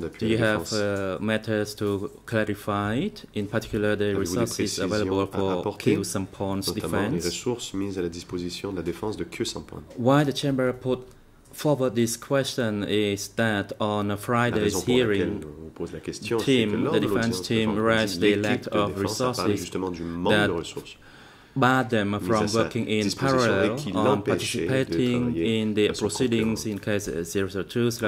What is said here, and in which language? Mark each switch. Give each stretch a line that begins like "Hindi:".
English: do you have matters to clarify it, in particular the
French: avez-vous
English: resources available for Kyu Sampan's defense?
French: Les ressources mises à la disposition de la défense de Kyu Sampan.
English: Why the chamber put forward this question is that on a Friday's hearing, the defense team raised the lack of resources that barred them from working in parallel on participating in the proceedings in case 002/02,